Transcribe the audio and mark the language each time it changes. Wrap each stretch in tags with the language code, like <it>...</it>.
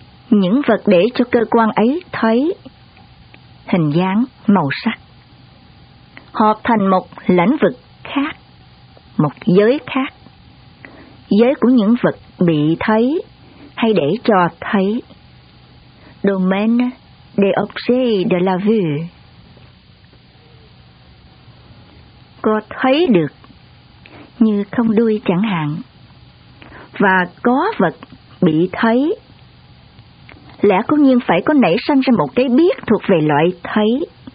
<vi>Những vật để cho cơ quan ấy thấy, hình dáng, màu sắc, hợp thành một lãnh vực khác, một giới khác, giới của những vật bị thấy hay để cho thấy.</vi> <fr>Domaine des objets de la vue.</fr> <vi>Có thấy được như không đuôi chẳng hạn, và có vật bị thấy, lẽ cố nhiên phải có nảy sinh ra một cái biết thuộc về loại thấy.</vi>